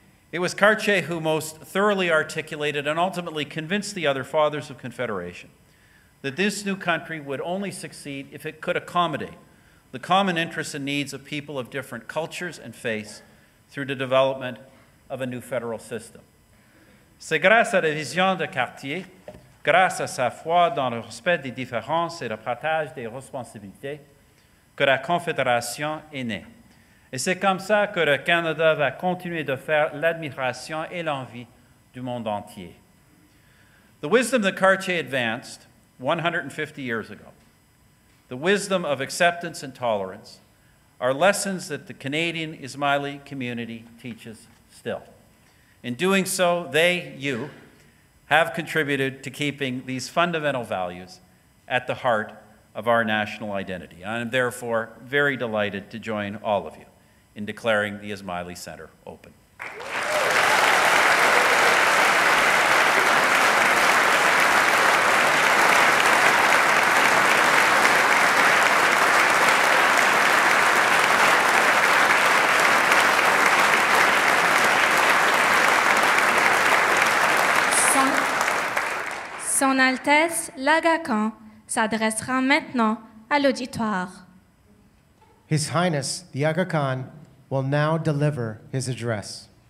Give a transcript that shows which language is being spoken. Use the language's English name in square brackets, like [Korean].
[English] It was Cartier who most thoroughly articulated and ultimately convinced the other fathers of Confederation that this new country would only succeed if it could accommodate the common interests and needs of people of different cultures and faiths through the development of a new federal system. [French] C'est grâce à la vision de Cartier, grâce à sa foi dans le respect des différences et le partage des responsabilités, que la Confédération est née. Et c'est comme ça que le Canada va continuer de faire l'admiration et l'envie du monde entier. [English] The wisdom that Cartier advanced 150 years ago the wisdom of acceptance and tolerance are lessons that the Canadian Ismaili community teaches still. In doing so, they, you, have contributed to keeping these fundamental values at the heart of our national identity. I am therefore very delighted to join all of you in declaring the Ismaili Center open. [French] Son Altesse l'Aga Khan s'adressera maintenant à l'auditoire. [English] His Highness the Aga Khan will now deliver his address.